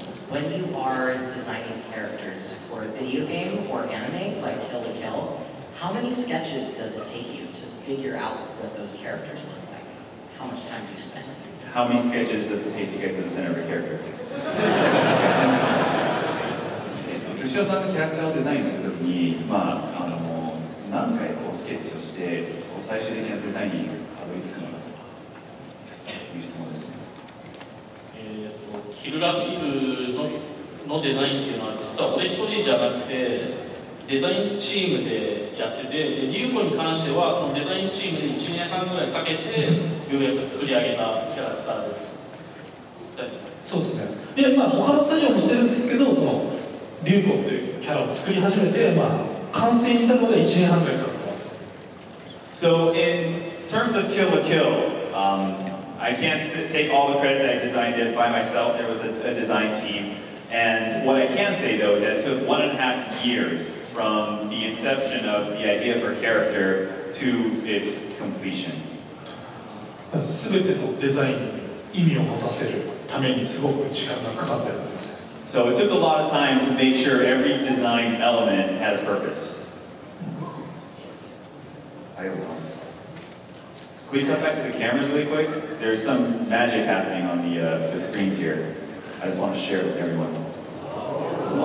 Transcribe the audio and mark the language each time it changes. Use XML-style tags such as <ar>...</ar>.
<en>When you are designing characters for a video game or anime like Kill the Kill, how many sketches does it take you to figure out what those characters look like? How much time do you spend? How many sketches does it take to get to the center of a character?</en> <ja>SUSHIO さんのキャラクターをデザインするときに、まあ、あのもう何回こうスケッチをして、こう最終的なデザインにたどり着くのかという質問ですね。キルラキル のデザインっていうのは、実は俺一人じゃなくて、デザインチームでやってて、リュウコに関しては、そのデザインチームで1年半ぐらいかけて、ようやく作り上げたキャラクターです。そうですね。で、まあ、他のスタジオもしてるんですけど、その流行というキャラを作り始めて、まあ、完成に至るまで1年半ぐらいかかってます。</ja> <en>So in terms of Kill la Kill, I can't take all the credit that I designed it by myself. There was a design team. And what I can say though is that it took 1.5 years from the inception of the idea of her character to its completion.</en> <ja>全てのデザインに意味を持たせるためにすごく時間がかかってる。</ja> <en>So it took a lot of time to make sure every design element had a purpose.</en> <ja>ありがとうございます。</ja> <en>Can we cut back to the cameras really quick? There's some magic happening on the screens here. I just want to share it with everyone.</en>